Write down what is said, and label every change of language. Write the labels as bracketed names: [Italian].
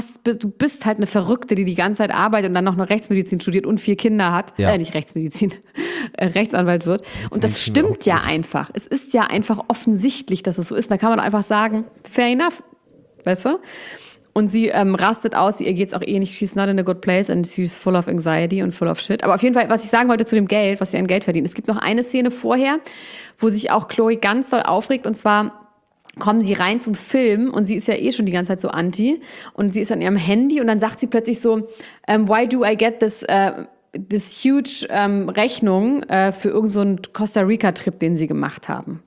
[German] Du bist halt eine Verrückte, die ganze Zeit arbeitet und dann noch Rechtsmedizin studiert und vier Kinder hat. Ja. Nicht Rechtsmedizin, Rechtsanwalt wird. Und das stimmt ja einfach. Es ist ja einfach offensichtlich, dass es so ist. Da kann man einfach sagen, [English] fair enough, [German] weißt du? Und sie rastet aus, ihr geht's auch eh nicht. [English] She's not in a good place and she's full of anxiety and full of shit. [German] Aber auf jeden Fall, was ich sagen wollte zu dem Geld, was sie an Geld verdient. Es gibt noch eine Szene vorher, wo sich auch Chloe ganz doll aufregt und zwar kommen sie rein zum Film und sie ist ja eh schon die ganze Zeit so anti und sie ist an ihrem Handy und dann sagt sie plötzlich so, [English] why do I get this huge [German] Rechnung für irgendeinen Costa Rica Trip, den sie gemacht haben.